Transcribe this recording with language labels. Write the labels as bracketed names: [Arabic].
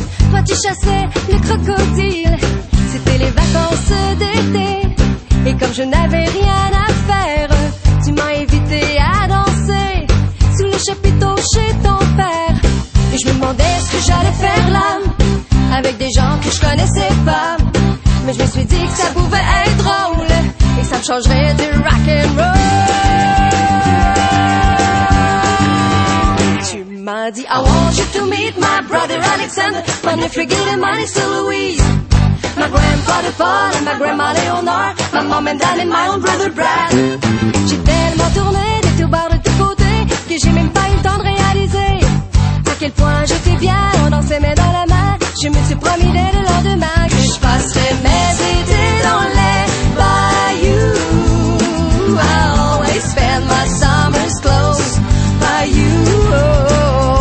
[French] Toi tu chassais le crocodile. C'était les vacances d'été, et comme je n'avais rien à faire, tu m'as invité à danser sous le chapiteau chez ton père. Et je me demandais ce que j'allais faire là, avec des gens que je connaissais pas. Mais je me suis dit que ça pouvait être drôle, et que ça me changerait du rock'n'roll. Tu m'as dit [English] I want you to meet my brother Alexander, my nephew Gil and my niece Louise, my grandfather Paul and my grandma Leonore, my mom and dad and my own brother Brad. [French] J'ai tellement tourné des tours bars de tous côtés, que j'ai même pas eu le temps de réaliser à quel point j'étais bien. On dansait main dans la main, je me suis promis dès le lendemain que je passerais mes étés dans les bayous. [English] I always felt my summers close by you.